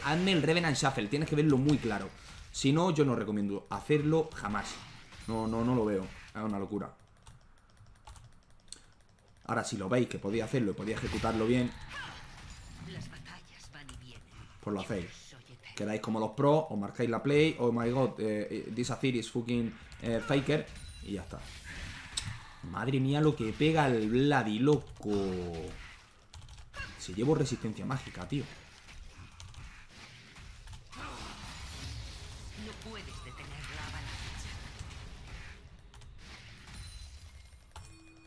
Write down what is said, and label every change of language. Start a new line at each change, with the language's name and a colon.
Spanish: Hazme el Revenant Shuffle, tienes que verlo muy claro. Si no, yo no recomiendo hacerlo jamás. No lo veo. Es una locura. Ahora, si lo veis que podía hacerlo y podía ejecutarlo bien, pues lo hacéis. Quedáis como los pros, os marcáis la play.
English: Oh my god, this Azir is fucking Faker.
Spanish: Y ya está. Madre mía, lo que pega el Vladi, loco. Se llevó resistencia mágica, tío. No puedes detener la avalancha.